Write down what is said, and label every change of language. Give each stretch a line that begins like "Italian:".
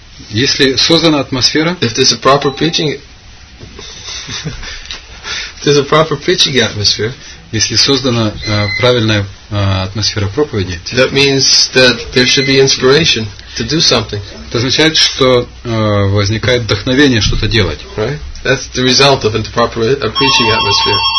Russian: если создана атмосфера,
English: if there's a proper preaching. There's a proper preaching atmosphere.
Russian: Если создана правильная атмосфера проповеди,
English: that means that there should be inspiration to do something.
Russian: Это означает, что возникает вдохновение что-то делать.
English: Right? That's the result of the proper preaching atmosphere.